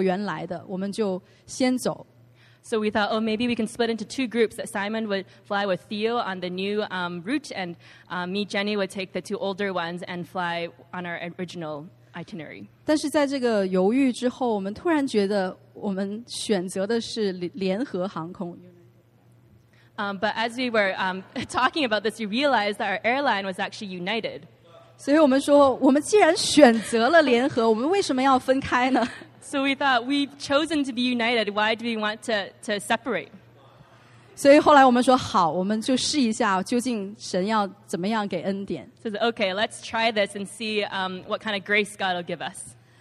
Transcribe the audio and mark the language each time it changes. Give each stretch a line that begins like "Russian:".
Chinese: 所以当时我们就在想，可能我们分成两组吧，Simon带着多多飞另外的航班，我带两个孩子，我们不会错过原来的，我们就先走。
English: So we thought, oh, maybe we can split into 2 groups, that Simon would fly with Theo on the new route, and me, Jenny, would take the 2 older ones and fly on our original itinerary.
Chinese: 但是在这个犹豫之后，我们突然觉得 我们选择的是联合航空。
English: But as we were talking about this, we realized that our airline was actually United.
Chinese: 所以我们说，我们既然选择了联合，我们为什么要分开呢？
English: So we thought we've chosen to be United. Why do we want to separate?
Chinese: 所以后来我们说，好，我们就试一下究竟神要怎么样给恩典。
English: So it's okay, let's try this and see what kind of grace God will give us.